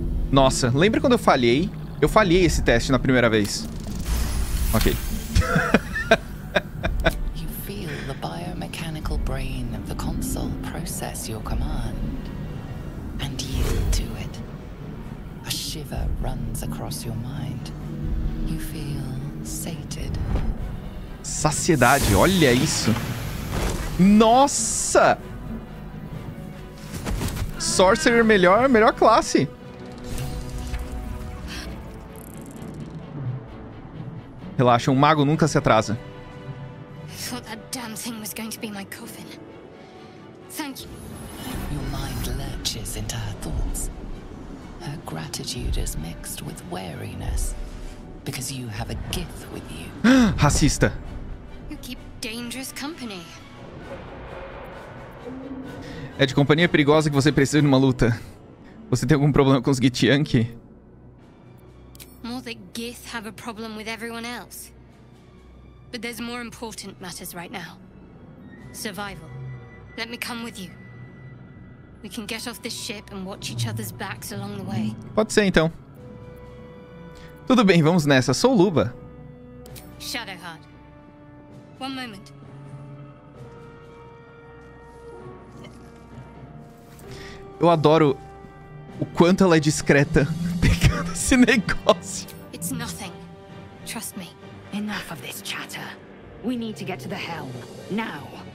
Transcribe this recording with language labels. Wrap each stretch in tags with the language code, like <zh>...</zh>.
<pt>Nossa, lembra quando eu falhei? Eu falhei esse teste na primeira vez. Ok.</pt> <en>You feel the biomechanical brain of the console process your command and yield to it. A shiver runs across your mind. You feel sated.</en> <pt>Saciedade, olha isso. Nossa! Sorcerer melhor classe. Relaxa, um mago nunca se atrasa.</pt> <en>I thought that damn thing was going to be my coffin. Thank you. Your mind lurches into her thoughts. Her gratitude is mixed with wariness. Because you have a gift with you.</en> <pt>Racista.</pt> <en>You keep dangerous company.</en> <pt>É de companhia perigosa que você precisa de uma luta. Você tem algum problema com os Githyanki?</pt> <en>More that Gith have a problem with everyone else. But there's more important matters right now. Survival. Let me come with you. We can get off this ship and watch each other's backs along the way.</en> <pt>Pode ser então. Tudo bem, vamos nessa. Sou Luba.</pt> <en>Shadowheart. One moment.</en> <pt>Eu adoro o quanto ela é discreta pegando esse negócio.</pt> <en>It's nothing. Trust me. Enough of this chatter. We need to get to the helm now.</en>